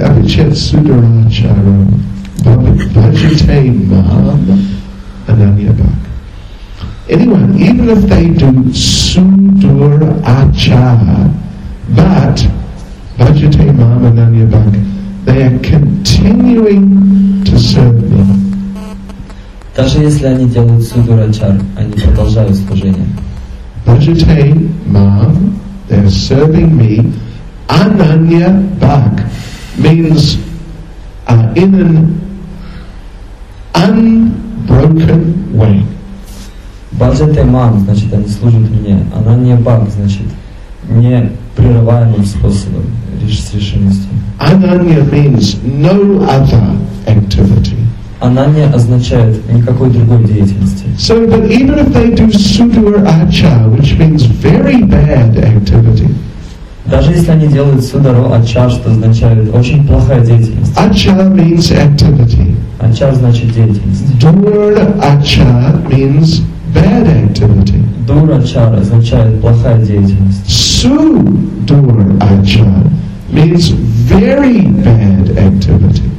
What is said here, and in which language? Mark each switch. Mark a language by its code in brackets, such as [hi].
[sa] Апи Чет Сударачаро Баджитейм Махам Ананьябак. [en] Anyone, even if they do sudur achara, but [sa] Bhajate Mam Ananya Bhag, [en] they are continuing to serve me. [ru] Даже если они делают sudur achara, они продолжают служение. [en] Bhajate Mam, they are serving me. Ananya Bhag means in an unbroken way. [sa] Баджете мам, [ru] значит, они служат мне. Она не баг, значит, непрерываемым способом решимости. [en] Ананья means no other activity. [ru] Ананья означает никакой другой деятельности. [en] So, but even if they do sudur acha, which means very bad activity. [ru] Даже если они делают sudur acha, что означает очень плохая деятельность. [en] Acha means activity. [ru] Acha значит деятельность. [en] Dur acha means bad activity. [ru] Dur achara означает плохая деятельность. [en] Su dur achara means very bad activity.